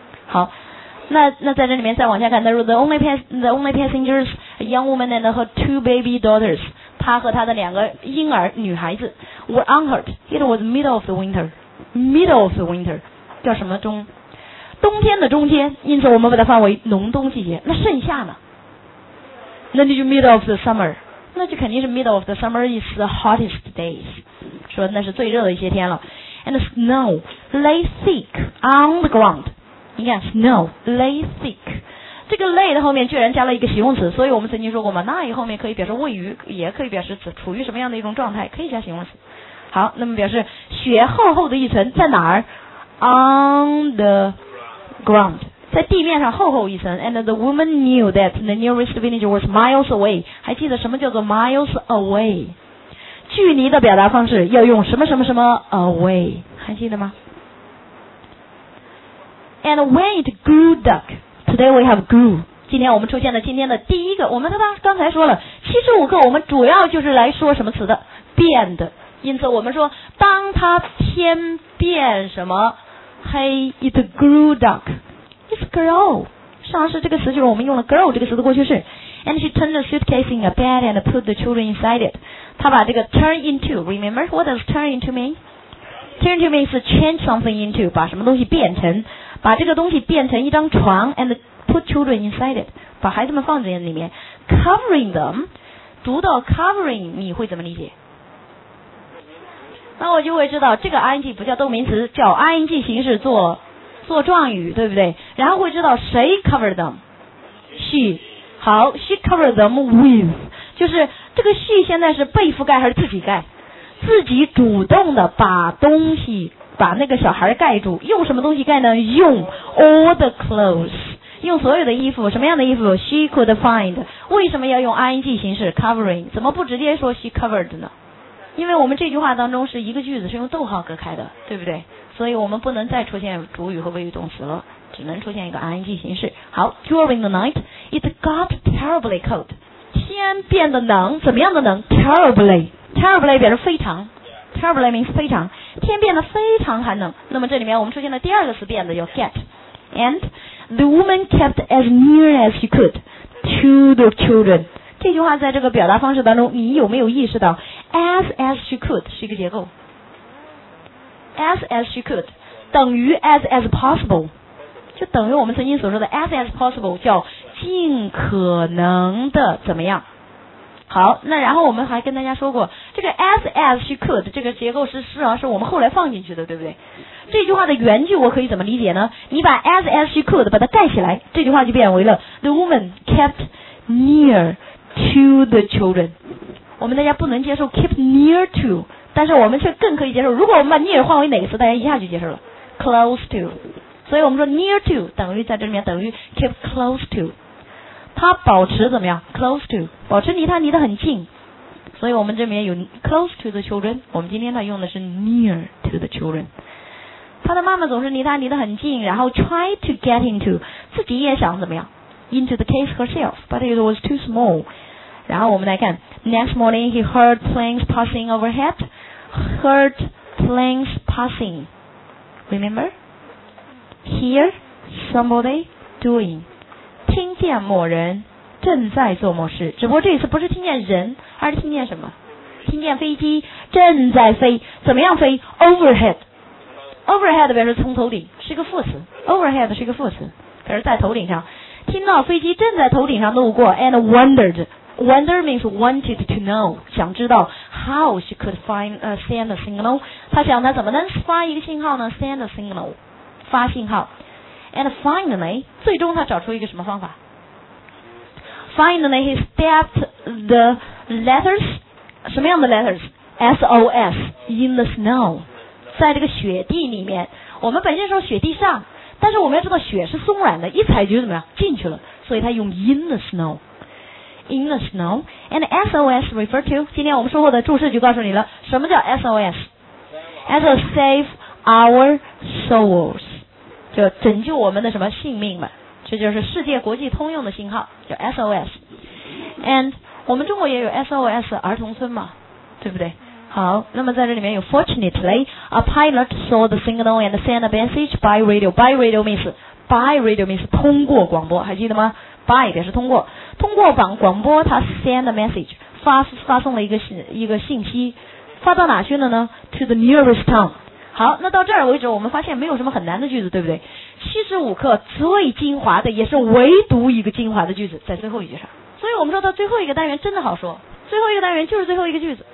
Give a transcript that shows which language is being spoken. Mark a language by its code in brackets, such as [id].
[zh] 好，那在这里面再往下看，他说 [en] the only passengers a young woman and her two baby daughters， [zh] 他和他的两个婴儿女孩子 [en] were unhurt， it was middle of the winter [zh] 叫什么中，冬天的中间，因此我们把它放为浓冬季节。那盛夏呢？那你就 [en] middle of the summer， [zh] 那就肯定是 [en] middle of the summer is the hottest days， [zh] 说那是最热的一些天了。 [en] And the snow lay thick on the ground， [zh] 你看 [en] snow lay thick， [zh] 这个 lay 的后面居然加了一个形容词，所以我们曾经说过嘛， lay 后面可以表示位于，也可以表示处于什么样的一种状态，可以加形容词。好，那么表示雪厚厚的一层，在哪儿？ [en] on theground， [zh] 在地面上厚厚一层。 [en] And the woman knew that the nearest village was miles away， [zh] 还记得什么叫做 [en] miles away？ [zh] 距离的表达方式要用什么什么什么 away， 还记得吗？ [en] And when it grew dark， today we have grew， [zh] 今天我们出现了今天的第一个，我们刚才说了七十五课我们主要就是来说什么词的，变的。因此我们说当它天变什么 [en] Hey, it grew dark. It's grow. [zh] 上次这个词就是我们用了 grow 这个词的过去式。 [en] And she turned the suitcase in a bed and put the children inside it. [zh] 她把这个 [en] turn into, remember? What does turn into mean? Turn into means change something into, [zh] 把什么东西变成。把这个东西变成一张床 [en] and put children inside it. [zh] 把孩子们放在里面。 Covering them, 读到 covering 你会怎么理解？那我就会知道这个 ing 不叫动名词，叫 ing 形式做状语，对不对？然后会知道谁 cover them， she， 好， [en] she covered them with， [zh] 就是这个 she 现在是被覆盖还是自己盖？自己主动的把东西把那个小孩盖住，用什么东西盖呢？用 [en] all the clothes， [zh] 用所有的衣服，什么样的衣服 [en] she could find。 [zh] 为什么要用 ing 形式 covering， 怎么不直接说 she covered 呢？因为我们这句话当中是一个句子是用逗号隔开的，对不对？所以我们不能再出现主语和谓语动词了，只能出现一个 ing 形式。好， [en] during the night it got terribly cold， [zh] 天变得冷，怎么样的冷？ terribly， terribly 表示非常，terribly means 非常，天变得非常寒冷。那么这里面我们出现了第二个词变的，叫 get。 [en] And the woman kept as near as she could to the children， [zh] 这句话在这个表达方式当中你有没有意识到 [en] as she could [zh] 是一个结构， as she could 等于 [en] as possible， [zh] 就等于我们曾经所说的 as possible 叫尽可能的怎么样。好，那然后我们还跟大家说过这个 as she could 这个结构是实际上是我们后来放进去的，对不对？这句话的原句我可以怎么理解呢？你把 as she could 把它盖起来，这句话就变为了 [en] the woman kept near to the children。 [zh] 我们大家不能接受 [en] keep near to， [zh] 但是我们却更可以接受，如果我们把 near 换为哪个词，大家一下就接受了 [en] close to。 [zh] 所以我们说 near to 等于在这里面等于 [en] keep close to， [zh] 他保持怎么样 close to， 保持离他离得很近。所以我们这边有 [en] close to the children， [zh] 我们今天他用的是 [en] near to the children。 [zh] 他的妈妈总是离他离得很近，然后 [en] try to get into， [zh] 自己也想怎么样 [en] into the case herself， but it was too small。 [zh] 然后我们来看 [en] next morning he heard planes passing overhead， heard planes passing， remember hear somebody doing， [zh] 听见某人正在做某事，只不过这一次不是听见人，而是听见什么？听见飞机正在飞，怎么样飞 ？Overhead， overhead 表示从头顶，是一个副词。 Overhead 是一个副词，表示在头顶上。听到飞机正在头顶上路过 ， [en] and wondered， wonder means wanted to know， [zh] 想知道 [en] how she could find send a signal， [zh] 他想他怎么能发一个信号呢 ？ [en] Send a signal， [zh] 发信号。 And finally, 最终他找出一个什么方法？ [en] Finally, he stepped the letters, [zh] 什么样的 [en] letters? SOS, in the snow, [zh] 在这个雪地里面。我们本身说雪地上，但是我们要知道雪是松软的，一踩就怎么样，进去了。所以他用 [en] in the snow, [zh] in the snow. [en] And SOS refer to, [zh] 今天我们说过的注释就告诉你了，什么叫 SOS? [en] As a save our souls. [zh] 就拯救我们的什么性命嘛，这就是世界国际通用的信号，叫 SOS。 And 我们中国也有 SOS 儿童村嘛，对不对？好，那么在这里面有 [en] Fortunately a pilot saw the signal and sent a message by radio。 By radio means [zh] 通过广播，还记得吗？ By 表示通过，通过广播他 [en] send a message， [zh] 发送了一个信息，发到哪去了呢？ [en] To the nearest town。 [zh] 好，那到这儿为止我们发现没有什么很难的句子，对不对？75课最精华的也是唯独一个精华的句子在最后一句上，所以我们说到最后一个单元真的好说，最后一个单元就是最后一个句子。